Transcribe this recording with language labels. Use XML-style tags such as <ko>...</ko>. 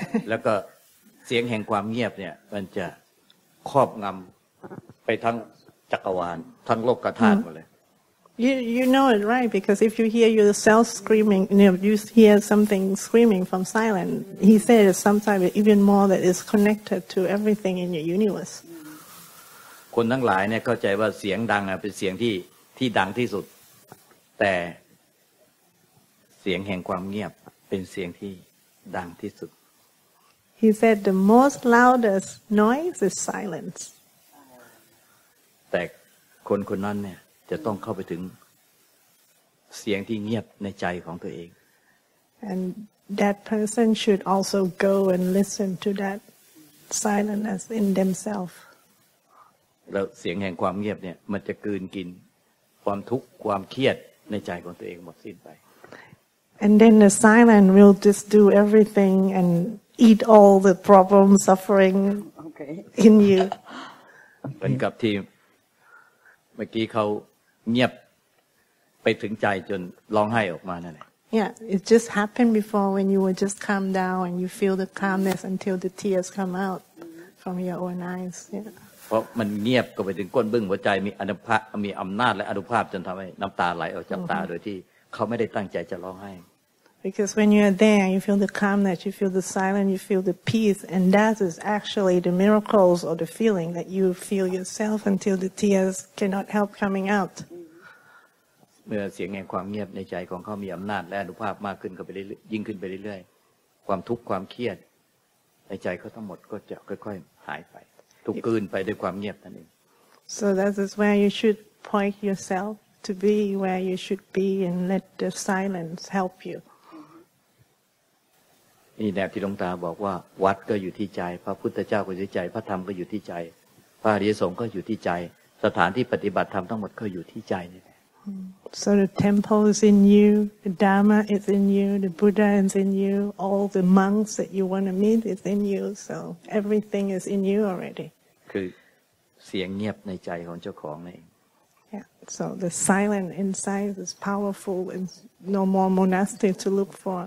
<th>แล้วก็เสียงแห่งความเงียบเนี่ยมันจะครอบงำไปทั้งจักรวาลทั้งโลกธาตุหมดเลย</th> <en>You know it right because if you hear yourself screaming, you hear something screaming from silent. He said it's sometimes even more that is connected to everything in your universe.</en> <th>คนทั้งหลายเนี่ยเข้าใจว่าเสียงดังอ่ะเป็นเสียงที่ดังที่สุดแต่เสียงแห่งความเงียบเป็นเสียงที่ดังที่สุด</th> <en>He said the most loudest noise is silence.</en> <th>แต่คนคนนั้นเนี่ยจะต้องเข้าไปถึงเสียงที่เงียบในใจของตัวเอง</th> <en>and that person should also go and listen to that silentness in themselves</en> <th>แล้วเสียงแห่งความเงียบเนี่ยมันจะกลืนกินความทุกข์ความเครียดในใจของตัวเองหมดสิ้นไป</th> <en>And then the silence will just do everything and eat all the problems, suffering in you.</en> <th>เหมือนกับที่เมื่อกี้เขาเงียบไปถึงใจจนร้องไห้ออกมานั่นแหละ</th> <en>Yeah, it just happened before when you were just calm down and you feel the calmness until the tears come out from your own eyes. Yeah.</en> <th>เพราะมันเงียบก็ไปถึงก้นบึ้งหัวใจมีอนุภาพมีอำนาจและอนุภาพจนทำให้น้ำตาไหลออกจากตาโดยที่เขาไม่ได้ตั้งใจจะร้องไห้</th> <en>Because when you are there, you feel the calmness, you feel the silence, you feel the peace, and that is actually the miracles or the feeling that you feel yourself until the tears cannot help coming out.</en> <th>เมื่อเสียงแห่งความเงียบในใจของเขามีอำนาจและอนุภาพมากขึ้นก็ไปเรื่อยยิ่งขึ้นไปเรื่อยความทุกข์ความเครียดในใจเขาทั้งหมดก็จะค่อยๆหายไปถูกกลืนไปด้วยความเงียบนั่นเอง</th> <en>So that is where you should point yourselfTo be where you should be and let the silence help you.</en> <th>นี่แนวที่หลวงตาบอกว่าวัดก็อยู่ที่ใจพระพุทธเจ้าก็อยู่ที่ใจพระธรรมก็อยู่ที่ใจพระอริยสงฆ์ก็อยู่ที่ใจสถานที่ปฏิบัติธรรมทั้งหมดก็อยู่ที่ใจนี่แหละ</th> <en>So the temple is in you, the Dharma is in you, the Buddha is in you, all the monks that you want to meet is in you, so everything is in you already.</en> <th>คือเสียงเงียบในใจของเจ้าของนี่</th> <en>Yeah, so the silent inside is powerful and no more monastic to look for.</en>